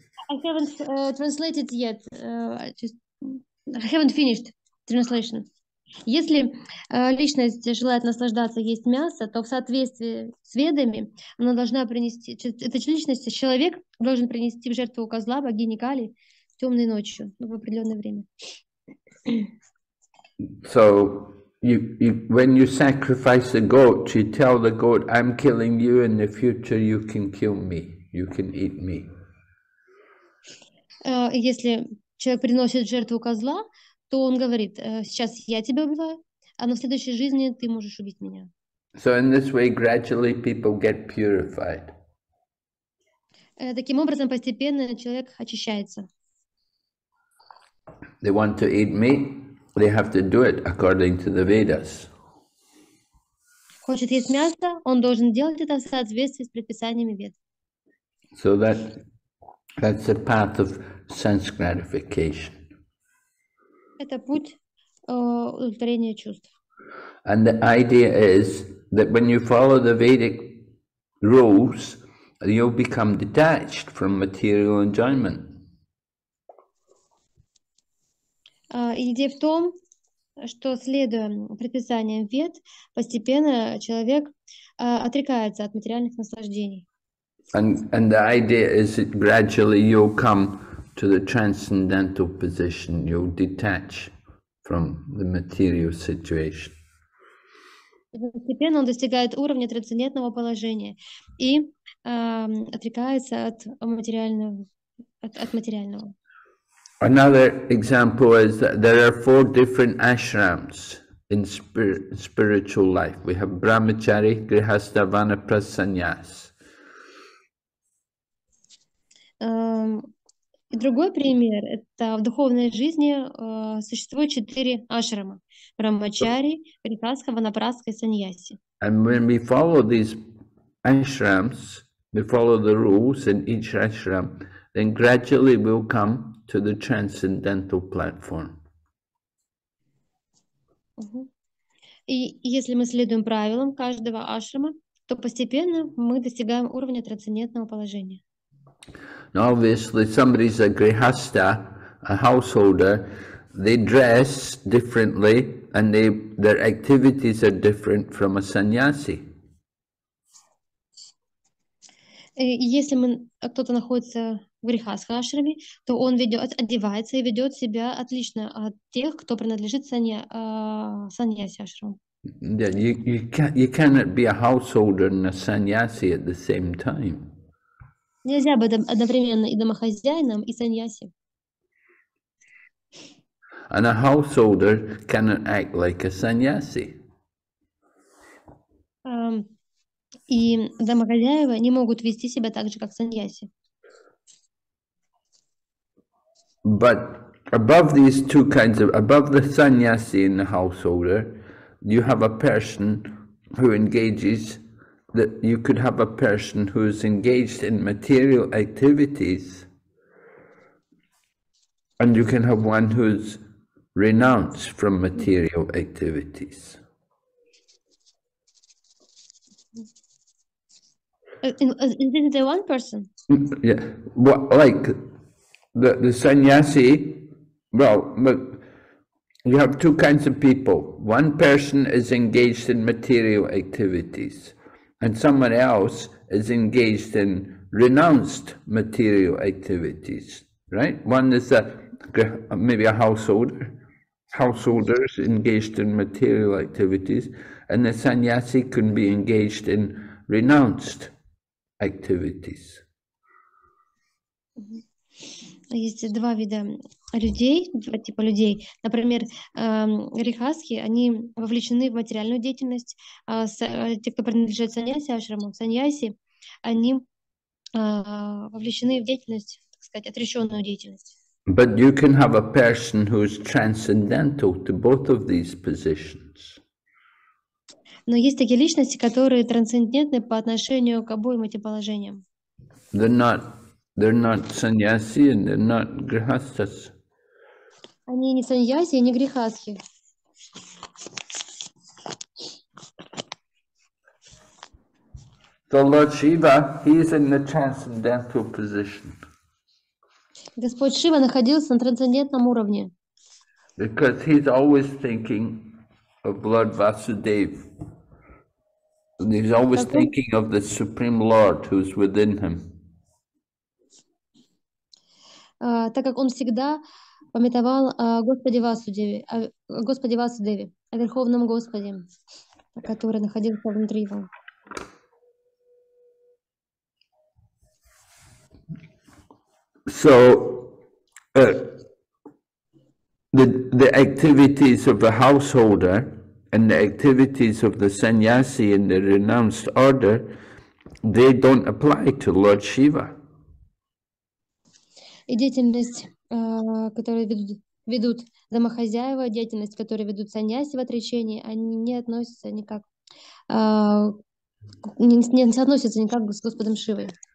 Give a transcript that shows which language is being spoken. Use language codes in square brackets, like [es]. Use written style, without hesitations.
[en] I haven't translated yet. I haven't finished translation. [ru] Если личность желает наслаждаться есть мясо, то в соответствии с ведами она должна принести, эта личность, человек должен принести в жертву козла богини Кали темной ночью, ну, в определенное время. [en] So when you sacrifice a goat, you tell the goat, I'm killing you, in the future you can kill me, you can eat me. [ru] Если человек приносит жертву козла, то он говорит, сейчас я тебя убиваю, а на следующей жизни ты можешь убить меня. [en] So in this way gradually people get purified. [ru] Таким образом постепенно человек очищается. [en] They want to eat meat, they have to do it according to the Vedas. [ru] Хочет есть мясо, он должен делать это в соответствии с предписаниями Вед. [en] So that's a path of sense gratification. [ru] Это путь удовлетворения чувств. [en] And the idea is that when you follow the Vedic rules, you'll become detached from material enjoyment. [ru] Идея в том, что следуя предписаниям Вед, постепенно человек отрекается от материальных наслаждений. [en] And the idea is that gradually you'll come to the transcendental position, you'll detach from the material situation. [ru] Постепенно он достигает уровня трансцендентного положения и отрекается от материального. От материального. [en] Another example is that there are four different ashrams in spiritual life. We have brahmachari, grihastha, vanaprastha, sannyas. [ru] И другой пример – это в духовной жизни существует четыре ашрама – брахмачари, грихастха, ванапрастха и саньяси. [en] And when we follow these ashrams, we follow the rules in each ashram, then gradually we'll come to the transcendental platform. [ru] И если мы следуем правилам каждого ашрама, то постепенно мы достигаем уровня трансцендентного положения. [en] Now obviously somebody's a grihastha, a householder, they dress differently and their activities are different from a sannyasi. [ru] Если кто-то находится в грихастха ашраме, то он одевается и ведет себя отлично от тех, кто принадлежит саньяси ашраму. [en] Yeah, you cannot be a householder and a sannyasi at the same time. [ru] Нельзя быть одновременно и домохозяином, и саньяси. [en] And a householder cannot act like a sannyasi. [ru] И домохозяева не могут вести себя так же, как саньяси. [en] But above these two kinds of, above the sannyasi and the householder, you have a person who engages. That you could have a person who is engaged in material activities, and you can have one who's renounced from material activities. Isn't there one person? Yeah, well, like the sannyasi. Well, but you have two kinds of people. One person is engaged in material activities. And someone else is engaged in renounced material activities, right? One is maybe a householder. Householders engaged in material activities, and the sannyasi can be engaged in renounced activities. [ru] Есть два вида людей, два типа людей. Например, грихастхи, они вовлечены в материальную деятельность. Те, кто принадлежит саньяси ашраму, саньяси, они вовлечены в деятельность, так сказать, отрешенную деятельность. [en] But you can have a person who is transcendental to both of these positions. [ru] Но есть такие личности, которые трансцендентны по отношению к обоим этим положениям. [en] They're not sannyasi and they're not grihasthas. [ru] Они не саньяси и не грихасхи. [en] So Lord Shiva, he is in the transcendental position. [ru] Господь Шива находился на трансцендентном уровне. [en] Because he's always thinking of Lord Vasudev. And he's always thinking of the Supreme Lord who's within him. [ru] Так как он всегда памятовал Господи Васудеве, о Верховном Господе, который находился внутри его. [en] So the activities of a householder and the activities of the sannyasi in the renounced order, they don't apply to Lord Shiva. [ru] И деятельность, которую ведут домохозяева, деятельность, которую ведут саньяси в отречении, они не относятся никак, не соотносятся никак с Господом Шивой.